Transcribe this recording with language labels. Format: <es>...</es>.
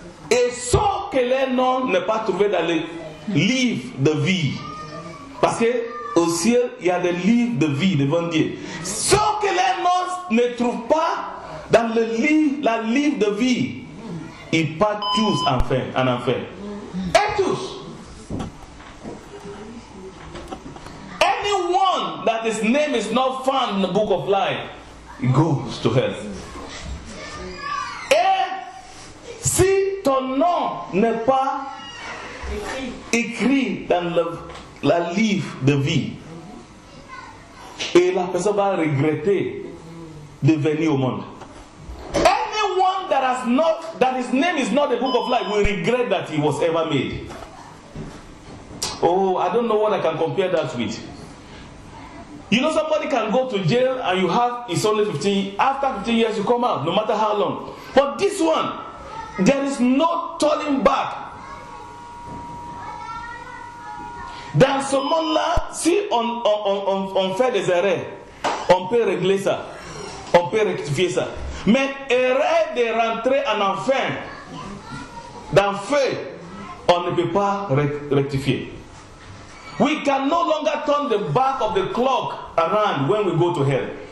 <fr>Et sans que les noms n'aient pas trouvé dans les livres de vie. Parce que au ciel, il y a des livres de vie devant Dieu. Sans que les noms ne trouvent pas dans le livre, la livre de vie, ils partent tous en enfer. Et tous.</fr> <en>Anyone that his name is not found in the book of life, it goes to hell.</en> <fr>Et si ton nom n'est pas écrit dans la livre de vie, et la personne va regretter de venir au monde.</fr> <en>Anyone that has not, that his name is not the book of life, will regret that he was ever made. Oh, I don't know what I can compare that with. You know, somebody can go to jail and you have, it's only 15, after 15 years you come out, no matter how long. But this one, there is no turning back.</en> <fr>Dans ce monde-là, si on fait des erreurs, on peut régler ça, on peut rectifier ça. Mais erreur de rentrer en enfer, dans feu, on ne peut pas rectifier.</fr> <en>We can no longer turn the back of the clock around when we go to hell.</en>